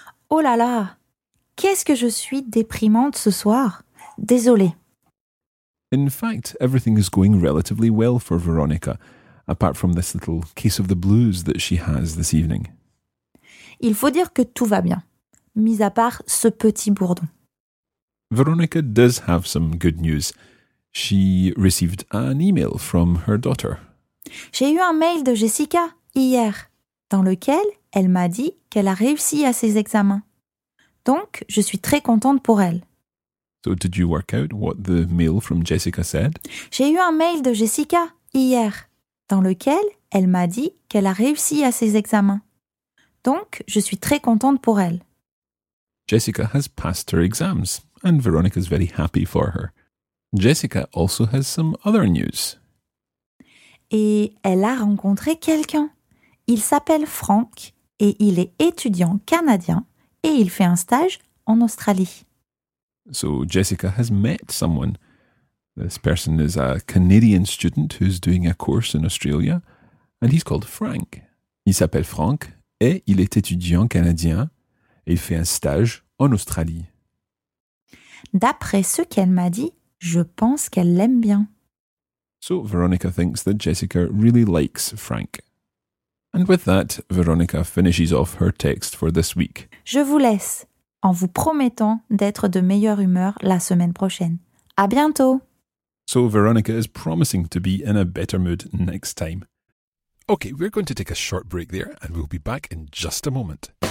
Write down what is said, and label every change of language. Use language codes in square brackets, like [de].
[fr] Oh là là! Qu'est-ce que je suis déprimante ce soir? Désolée. [en] In fact, everything is going relatively well for Veronica, apart from this little case of the blues that she has this evening. [fr] Il faut dire que tout va bien, mis à part ce petit bourdon. [en] Veronica does have some good news. She received an email from her daughter. [fr] J'ai eu un mail de Jessica hier, dans lequel elle m'a dit qu'elle a réussi à ses examens. Donc, je suis très contente pour elle. [en] So did you work out what the mail from Jessica said? [fr] J'ai eu un mail de Jessica hier, dans lequel elle m'a dit qu'elle a réussi à ses examens. Donc, je suis très contente pour elle. [en] Jessica has passed her exams, and Veronica is very happy for her. Jessica also has some other news. [fr] Et elle a rencontré quelqu'un. Il s'appelle Frank et il est étudiant canadien et il fait un stage en Australie. [en] So Jessica has met someone. This person is a Canadian student who's doing a course in Australia and he's called Frank. [fr] Il s'appelle Frank et il est étudiant canadien et il fait un stage en Australie. D'après ce qu'elle m'a dit, je pense qu'elle l'aime bien. [en] So Veronica thinks that Jessica really likes Frank. And with that, Veronica finishes off her text for this week. [fr] Je vous laisse, en vous promettant d'être de meilleure humeur la semaine prochaine. À bientôt! [en] So Veronica is promising to be in a better mood next time. Okay, we're going to take a short break there and we'll be back in just a moment.